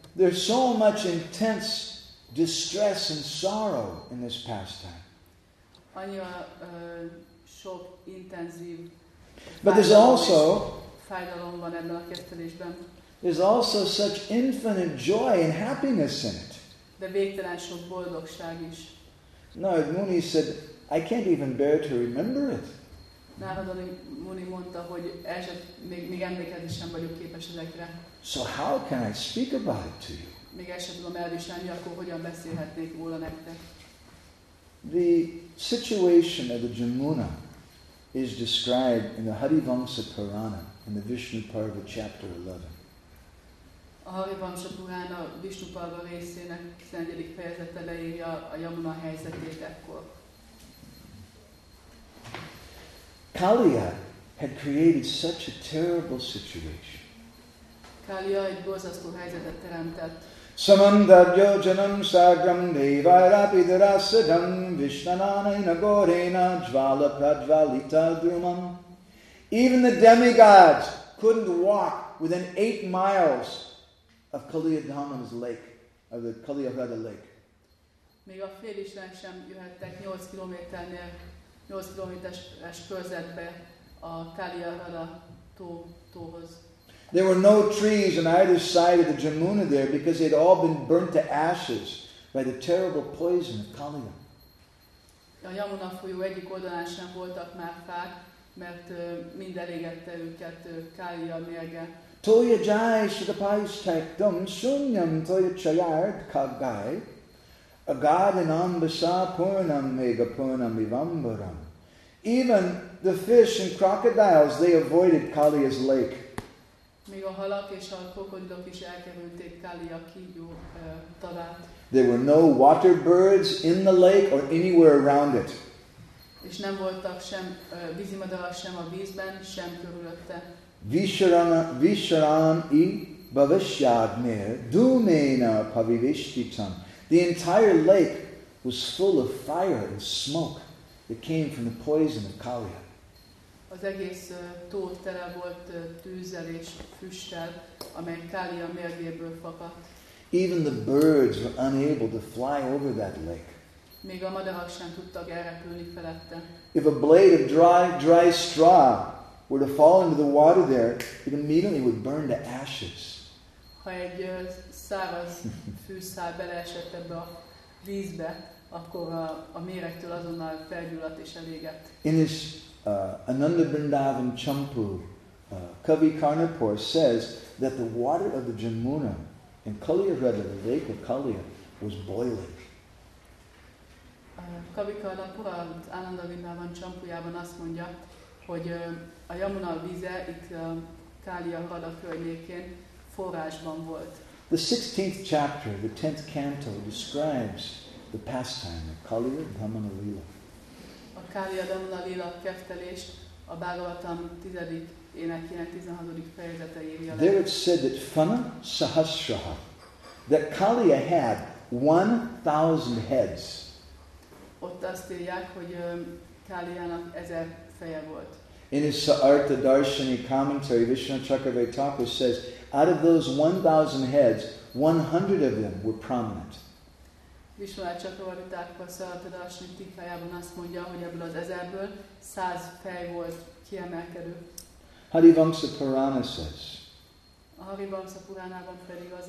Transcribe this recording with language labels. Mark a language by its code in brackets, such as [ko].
[en] There's so much intense distress and sorrow in this pastime. [hu] Annyira sok intenzív. [en] But there's also [hu] fájdalom van ebben a keftelésben. [en] There's also such infinite joy and happiness in it. [hu] De végtelen sok boldogság is. [en] Narad Muni said, I can't even bear to remember it. [hu] Narad Muni mondta, hogy még emlékezni sem vagyok képes ezekre. [en] So how can I speak about it to you? [hu] Még el sem tudom elviselni, akkor hogyan beszélhetnék róla nektek? [en] The situation of the Jamuna is described in the Harivamsa Purana in the Vishnu Parva chapter 11. [hu] A Harivamsa Purana a Vishnu Parva részének 11. fejezete leírja a Yamuna helyzetét ekkor. [en] Kaliya had created such a terrible situation. [hu] Kaliya egy borzasztó helyzetet teremtett. [sa] Samandadyojanam sagram devairapidrasadam vishnanayana gorena jvalapradvalita drumam. [en] Even the demigods couldn't walk within 8 miles of Kaliyadhamana's lake, of the Kaliyahrada lake. [hu] Még a félisten sem jöhettek 8 kilométernél 8 kilométeres körzetbe a Kaliahara tóhoz. [en] There were no trees on either side of the Jamuna there because they'd all been burnt to ashes by the terrible poison of Kaliya. [hu] A Jamuna folyó egyik oldalán sem voltak már fák, mert mind elégette őket Kaliya mérge. [sa] Toya jai shudapaisthaktam shunyam toya chayard kagai agadinam basapurnam megapurnam vivambaram. [en] Even the fish and crocodiles, they avoided Kaliya's lake. [hu] Még a halak és a krokodilok is elkerülték Kaliya kígyó tavát. [en] There were no water birds in the lake or anywhere around it. [hu] És nem voltak sem vízimadarak sem a vízben, sem körülötte. [sa] Visharami bhavishyadmir dumena pavivishtitam. [en] The entire lake was full of fire and smoke that came from the poison of Kaliya. [hu] Az egész tó tele volt tűzzel és füsttel, amely Kaliya mérgéből fakadt. [en] Even the birds were unable to fly over that lake. [hu] Még a madarak sem tudtak elrepülni felette. [en] If a blade of dry straw were to fall into the water there, it immediately would burn to ashes. [hu] Ha egy száraz fűszál beleesett ebbe a vízbe, akkor a méregtől azonnal felgyulladt és elégett. [en] In his Ananda Vrindavan Champu, Kavi Karnapur says that the water of the Jamuna in Kaliya River, the lake of Kaliya, was boiling. [hu] Kavi Karnapur, Ananda Vrindavan Champujában azt mondja, hogy a Jamuna vize itt Kaliya Hrada környékén forrásban volt. [en] The 16th chapter, the 10th canto, describes the pastime of Kaliya Dhamana Lila. [hu] A Kaliya Dhamana Lila keftelés a Bhagavatam 10. énekének 16. fejezete írja. [en] There it said that [sa] Fana Sahasraha, [en] that Kaliya had 1,000 heads. [hu] Ott azt írják, hogy Kaliyának 1,000 [en] In his Saartha Darshani commentary, Vishnu Chakravartaka says, out of those 1,000 heads, 100 of them were prominent. [hu] Vishnu Chakravartaka Saartha Darshani tikkájában azt mondja, hogy ebből az 1,000-ből 100 fej volt kiemelkedő. [en] Harivamsa Purana says, [hu] Harivamsa Puranában pedig az